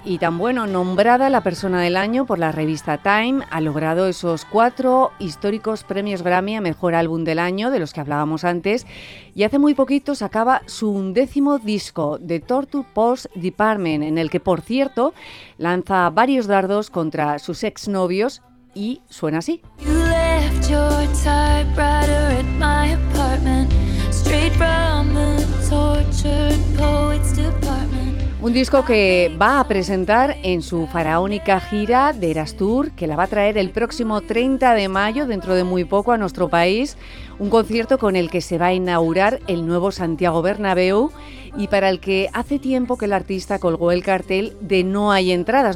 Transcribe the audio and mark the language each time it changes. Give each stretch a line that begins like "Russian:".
Spanish: Y tan bueno, nombrada la persona del año por la revista Time, ha logrado esos 4 históricos premios Grammy a Mejor Álbum del Año, de los que hablábamos antes, y hace muy poquito sacaba su 10º disco, The Tortue Post Department, en el que, por cierto, lanza varios dardos contra sus exnovios y suena así.
English: You left your typewriter at my apartment, straight from the tortured poet's department.
Spanish: Un disco que va a presentar en su faraónica gira de Eras Tour, que la va a traer el próximo 30 de mayo, dentro de muy poco, a nuestro país. Un concierto con el que se va a inaugurar el nuevo Santiago Bernabéu y para el que hace tiempo que el artista colgó el cartel de no hay entradas.